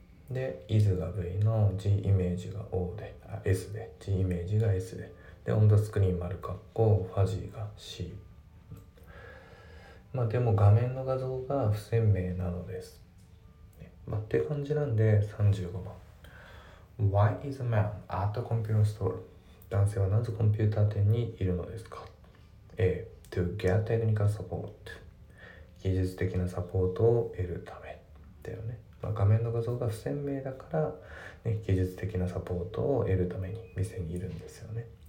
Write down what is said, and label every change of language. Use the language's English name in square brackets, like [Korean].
[Japanese] で、is が V の G image が O で、あ、S で、G image が S で。で、オンザスクリーン丸括弧、ファジーが C。まあ、でも画面の画像が不鮮明なのです。まあ、って感じなんで、35番。 [English] Why is a man at the computer store? [Japanese] 男性はなぜコンピューター店にいるのですか ?A. [English] To get technical support. [Japanese] 技術的なサポートを得るため。だよね。まあ、画面の画像が不鮮明だから、ね、技術的なサポートを得るために店にいるんですよね。